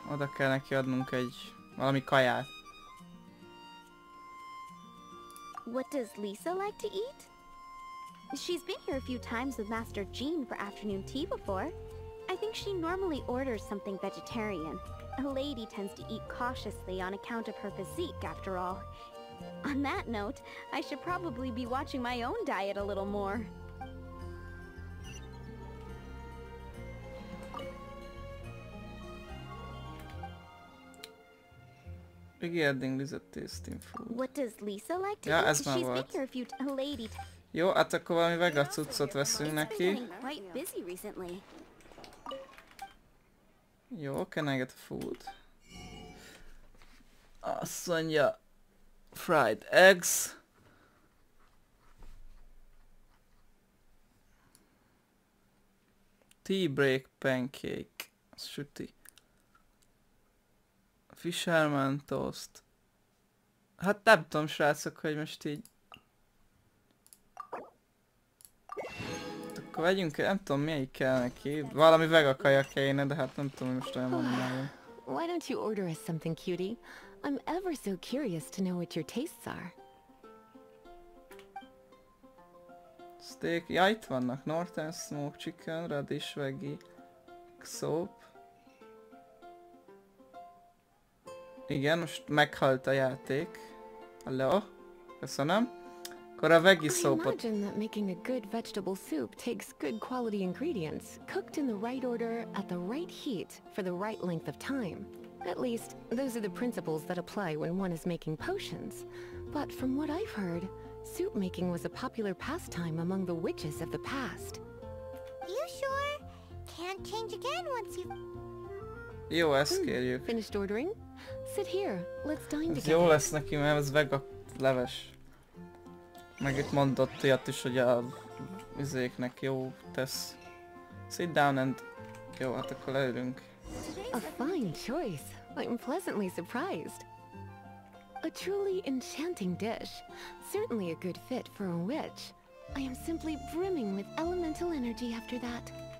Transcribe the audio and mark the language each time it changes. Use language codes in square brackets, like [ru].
[hu] Oda kell neki adnunk egy valami kaját. [en] What does Lisa like to eat? She's been here a few times with Master Jean for afternoon tea before. I think she normally orders something vegetarian. A lady tends to eat cautiously on account of her physique, after all. On that note, I should probably be watching my own diet a little more. Regarding Lisa tasting food. What does Lisa like to eat? She's been here a few times. Lady. [hu] Jó, hát akkor valami vega cuccot veszünk neki. [en] Quite busy recently. Jó, can I get food? [hu] Azt mondja, [en] fried eggs. Tea break pancake. [hu] Süti. [en] Fisherman toast. [hu] Hát nem tudom, srácok, hogy most így... Akkor vegyünk, nem tudom, melyik kell neki. Valami vega kaja kéne, de hát nem tudom, hogy most olyan mondani. [en] Why don't you order us something, cutie? I'm ever so curious to know what your tastes are. Steak, [hu] ja, itt vannak. [en] Northern smoked chicken, radish, veggie, soap. [hu] Igen, most meghalt a játék. Hello, köszönöm. Akkor a vegyi szópot. [en] I imagine that making a good vegetable soup takes good quality ingredients, cooked in the right order, at the right heat, for the right length of time. At least, those are the principles that apply when one is making potions. But from what I've heard, soup making was a popular pastime among the witches of the past. You sure? Can't change again once you... [hu] Jó, ezt kérjük. [en] Finished ordering? Sit here, let's dine together. [hu] Ez jó lesz neki, mert ez vega leves. Meg itt mondott ilyet is, hogy a izéknek jó tesz. [en] Sit down and... [hu] Jó, hát akkor leülünk. [en] A fine choice. I'm pleasantly surprised. A truly enchanting dish. Certainly a good fit for a witch. I am simply brimming with elemental energy after that.